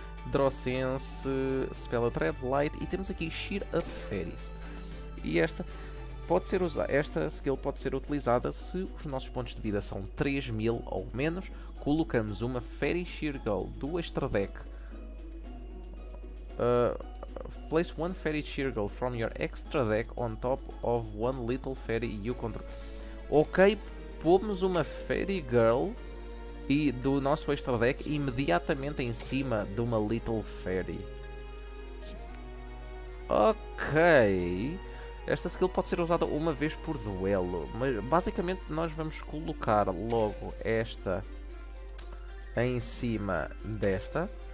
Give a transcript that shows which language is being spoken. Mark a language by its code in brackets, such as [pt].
[pt] Draw Sense, Spell a Thread, Light, e temos aqui Sheer Up Fairies. E esta pode ser usada, esta skill pode ser utilizada se os nossos pontos de vida são 3.000 ou menos. Colocamos uma Fairy Sheer Girl do extra deck. [en] Place one fairy cheer girl from your extra deck on top of one little fairy you control. [pt] Ok, pomos uma fairy girl e do nosso extra deck imediatamente em cima de uma little fairy. Ok, esta skill pode ser usada uma vez por duelo, mas basicamente nós vamos colocar logo esta em cima desta.